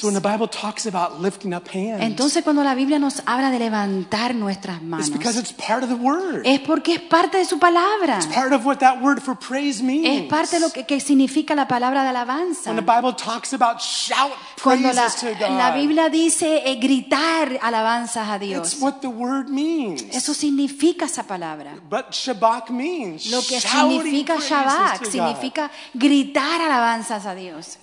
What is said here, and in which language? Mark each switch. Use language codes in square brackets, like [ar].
[en] So when the Bible talks about lifting up hands. [es] Entonces cuando la Biblia nos habla de levantar nuestras manos. [en] It's because it's part of the word. [es] Es porque es parte de su palabra. [en] It's part of what that word for praise means. [es] Es parte de lo que significa la palabra de alabanza. [en] When the Bible talks about shout praises to God. [es] La Biblia dice gritar alabanzas a Dios. [en] It's what the word means. [es] Eso significa esa palabra. [en] But Shabak means. [es] Lo que significa Shabak significa gritar alabanzas a Dios.